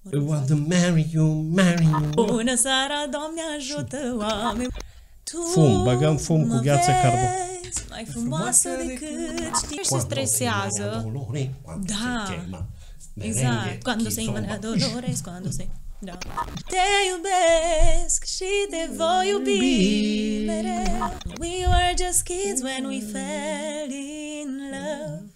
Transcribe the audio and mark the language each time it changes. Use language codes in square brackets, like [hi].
[en] Want to marry you, marry you. [ro] Bună seara, Doamne ajută oameni. Fum, băgăm fum cu gheață carbo. Mai frumoasă decât știi și se stresează. Da, exact. Când se imanea Dolores, când se... Da. Te iubesc și te voi iubi mereu. [en] We were just kids when we fell in love.